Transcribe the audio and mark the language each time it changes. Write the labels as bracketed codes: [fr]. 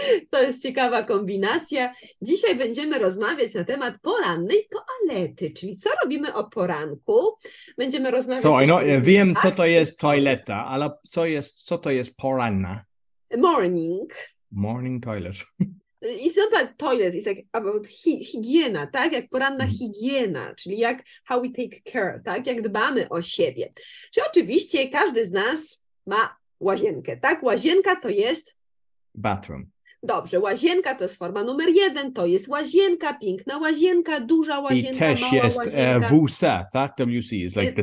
[pl] To jest ciekawa kombinacja. Dzisiaj będziemy rozmawiać na temat porannej toalety, czyli co robimy o poranku. Będziemy rozmawiać... Wiem, co to jest toaleta, ale co to jest poranna? [en] Morning. Morning toilet. It's not like toilet, it's like about higiena, tak? [pl] Jak poranna higiena, czyli jak [en] how we take care, [pl] tak? Jak dbamy o siebie. Czy oczywiście każdy z nas ma łazienkę, tak? Łazienka to jest... [en] Bathroom. [pl] Dobrze, łazienka to jest forma numer jeden, to jest łazienka, piękna łazienka, duża łazienka, mała łazienka. I też jest WC, tak? [en] WC is like the...